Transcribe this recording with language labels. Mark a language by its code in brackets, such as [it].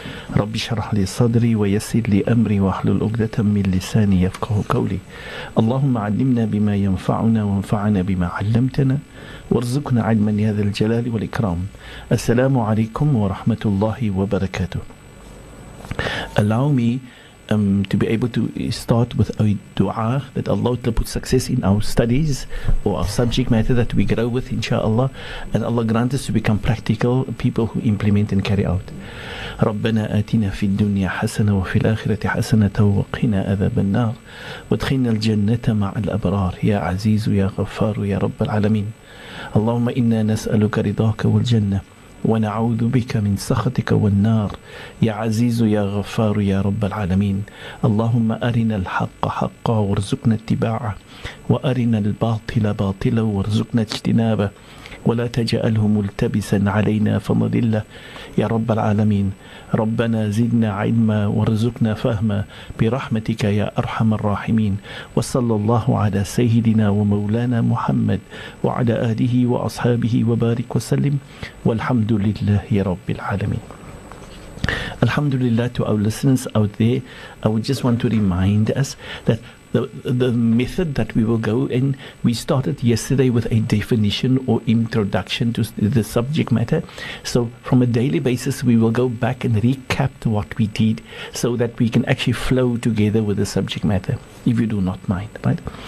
[ar] رب اشرح لي صدري ويسر لي امري واحلل عقدة من لساني يفقهوا قولي اللهم علمنا بما ينفعنا وانفعنا بما علمتنا وارزقنا علما يا ذا الجلال والاكرام السلام عليكم ورحمة الله وبركاته. [en] Allow me to be able to start with a dua that Allah will put success in our studies or our subject matter that we grow with, inshallah, and Allah grant us to become practical people who implement and carry out. [ar] ربنا آتنا في الدنيا حسنة وفي الآخرة حسنة وقنا عذاب النار وادخلنا الجنة مع الأبرار يا عزيز يا غفار يا رب العالمين. اللهم إنا نسألك رضاك والجنة ونعوذ بك من سخطك والنار يا عزيز يا غفار يا رب العالمين. اللهم أرنا الحق حقا وارزقنا اتباعه وأرنا الباطل باطلا وارزقنا اجتنابه ولا تجعله ملتبسا علينا فنضل يا رب العالمين. ربنا زدنا علما وارزقنا فهما برحمتك يا أرحم الراحمين. وصلى الله على سيدنا ومولانا محمد وعلى آله وأصحابه وبارك وسلم والحمد لله يا رب العالمين. الحمد لله. [en] To our listeners out there, I would just want to remind us that the method that we will go in, we started yesterday with a definition or introduction to the subject matter. So from a daily basis, we will go back and recap what we did so that we can actually flow together with the subject matter, if you do not mind, right?